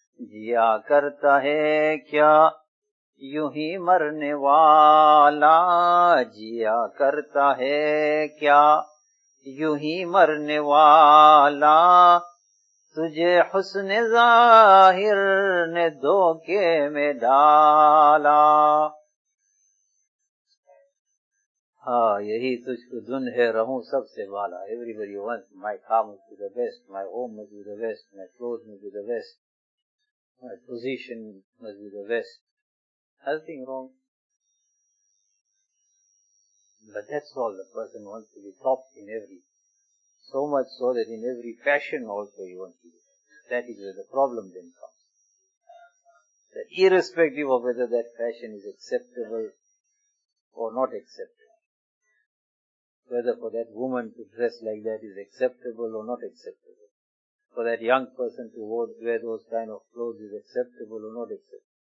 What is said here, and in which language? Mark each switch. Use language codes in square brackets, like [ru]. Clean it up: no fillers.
[ur] جیا کرتا ہے کیا یوں ہی مرنے والا، جیا کرتا ہے کیا یوں ہی مرنے والا. تجھے حسن ظاہر نے دھوکے میں ڈالا. ہاں یہی تجھ کو دن ہے رہوں سب سے والا. [en] Everybody wants my car must be the best, my home must be the best, my clothes must be the best, my position must be the best. Nothing wrong, but that's all the person wants to be top in every, so much so that in every fashion also he wants to be. That is where the problem then comes. That irrespective of whether that fashion is acceptable or not acceptable, whether for that woman to dress like that is acceptable or not acceptable, for that young person to wear those kind of clothes is acceptable or not acceptable.